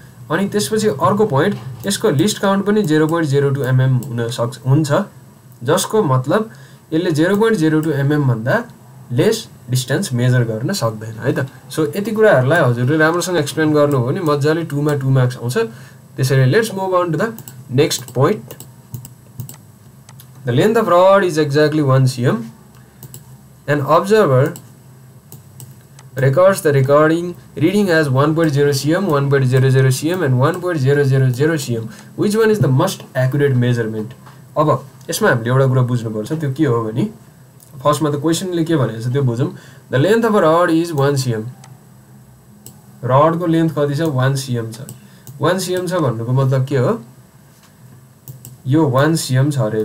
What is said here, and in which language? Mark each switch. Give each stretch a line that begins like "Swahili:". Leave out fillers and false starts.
Nepali: अनि त्यसपछि अर्को पोइन्ट, यसको लिस्ट काउन्ट पनि 0.02 mm हुनसक्छ हुन्छ, जसको मतलब यसले 0.02 mm भन्दा लेस डिस्टेन्स मेजर गर्न सक्दैन है त. सो यति कुराहरूलाई हजुरले राम्रोसँग एक्सप्लेन गर्नुभयो भने मजाले 2 मा 2 मार्क्स आउँछ.
English: त्यसैले let's move on to the next point. The length of rod is exactly 1 cm. An observer records the recording reading as 1.0 cm, 1.00 cm, and 1.000 cm. Which one is the most accurate measurement?
Nepali: अब यसमा हामीले एउटा कुरा बुझ्नुपर्छ, त्यो के हो भने फर्स्टमा त क्वेसनले के भनेको छ त्यो बुझौँ.
English: The length of a rod is 1 cm.
Nepali: रडको length कति छ? 1 cm छ. 1 cm छ भन्नुको मतलब के हो? यो 1 cm छ अरे.